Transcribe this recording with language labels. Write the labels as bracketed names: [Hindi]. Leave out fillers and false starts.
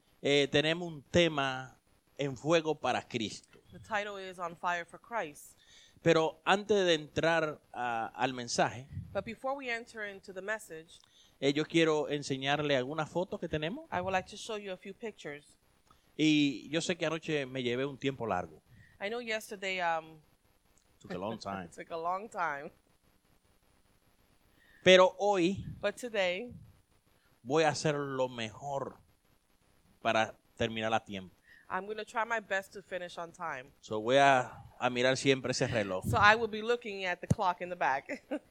[Spanish] Tenemos un tema en fuego para Cristo. [English] The title is On Fire for Christ. [Spanish] Pero antes de entrar al mensaje. [English] But before we enter into the message. [Spanish] Yo quiero enseñarle algunas fotos que tenemos. [English] I would like to show you a few pictures. [Spanish] Y yo sé que anoche me llevé un tiempo largo. [English] I know yesterday. Took a long time. Took a long time. [Spanish] Pero hoy. [English] But today. [Spanish] Voy a hacer lo mejor para terminar a tiempo. [English] I'm going to try my best to finish on time. [Spanish] So voy a mirar siempre ese reloj. [English] So I will be looking at the clock in the back.